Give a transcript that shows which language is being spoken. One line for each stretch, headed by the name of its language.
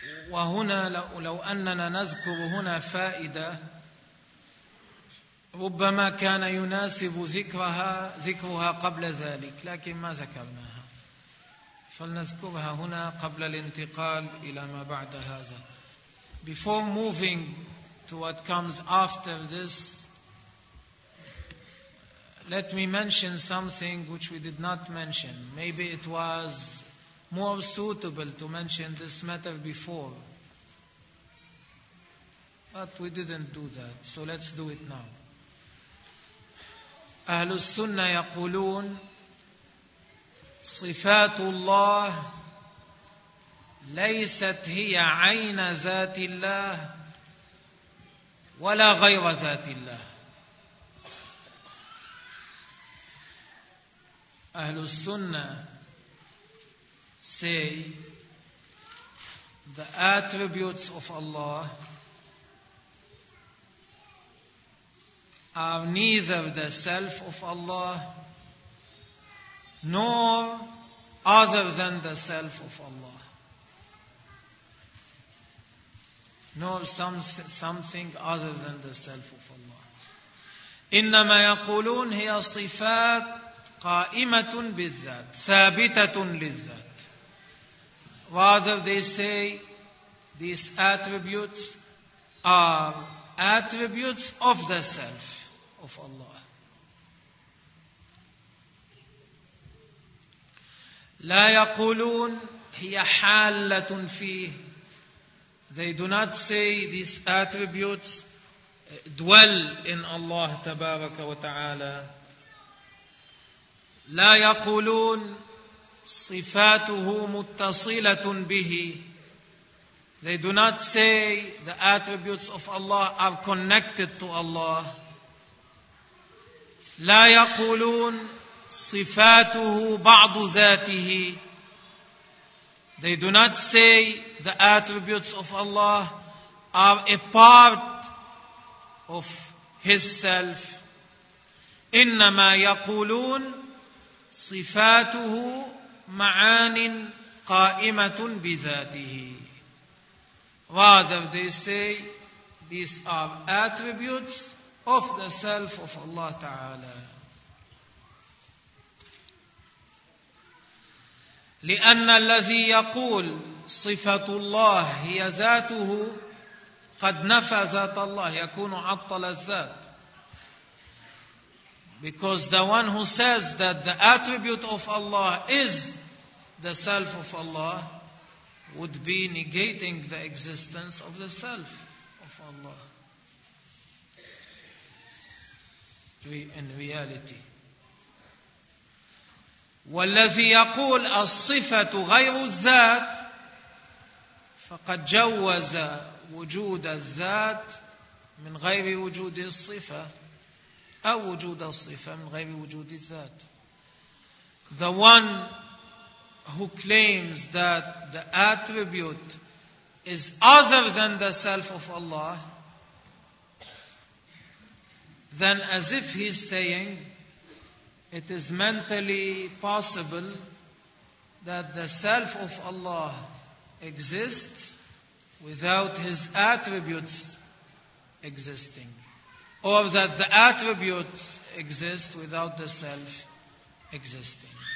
Arabic: وهنا لو أننا نذكر هنا فائدة ربما كان يناسب ذكرها قبل ذلك، لكن ما ذكرناها. فلنذكرها هنا قبل الانتقال إلى ما بعد هذا.
English: Before moving to what comes after this, let me mention something which we did not mention. Maybe it was more suitable to mention this matter before, but we didn't do that, so let's do it now.
Arabic: أهل السنة يقولون صفات الله ليست هي عين ذات الله ولا غير ذات الله.
English: أهل السنة say the attributes of Allah are neither the self of Allah nor other than the self of Allah, nor something other than the self of Allah.
Arabic: إنما يقولون هي صفات قائمة بالذات ثابتة للذات.
English: Rather they say these attributes are attributes of the self of Allah.
Arabic: لا يقولون هي حالة فيه.
English: They do not say these attributes dwell in Allah تبارك وتعالى.
Arabic: لا يقولون صفاته متصلة به.
English: They do not say the attributes of Allah are connected to Allah.
Arabic: لا يقولون صفاته بعض ذاته.
English: They do not say the attributes of Allah are a part of His self.
Arabic: إنما يقولون صفاته معان قائمة بذاته.
English: Rather they say these are attributes of the self of Allah Ta'ala.
Arabic: لأن الذي يقول صفة الله هي ذاته قد نفى ذات الله, يكون عطل الذات.
English: Because the one who says that the attribute of Allah is the self of Allah would be negating the existence of the self of Allah. In reality.
Arabic: والذي يقول الصفة غير الذات فقد جوز وجود الذات من غير وجود الصفة أو وجود الصفة من غير وجود الذات.
English: The one who claims that the attribute is other than the self of Allah, then as if he's saying it is mentally possible that the self of Allah exists without his attributes existing, or that the attributes exist without the self existing.